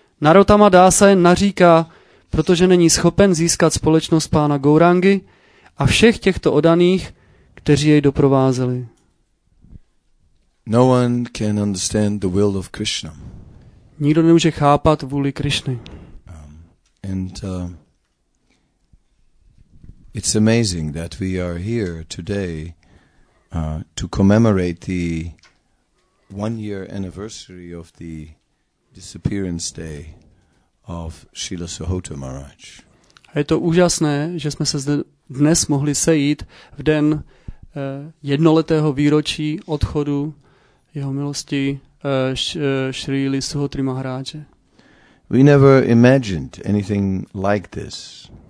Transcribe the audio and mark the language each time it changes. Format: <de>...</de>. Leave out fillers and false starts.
<cs>Narottama Dasa jen naříká, protože není schopen získat společnost pána Gaurangy a všech těchto odaných, kteří jej doprovázeli.</cs> <en>No one can understand the will of Krishna.</en> <cs>Nikdo nemůže chápat vůli Krišny.</cs> <en>It's amazing that we are here today to commemorate the 1 year anniversary of the disappearance day of Srila Suhota Maharaj.</en> <cs>A je to úžasné, že jsme se dnes mohli sejít v den jednoletého výročí odchodu jeho milosti Srila Suhoty Maharaje.</cs> <en>We never imagined anything like this.</en>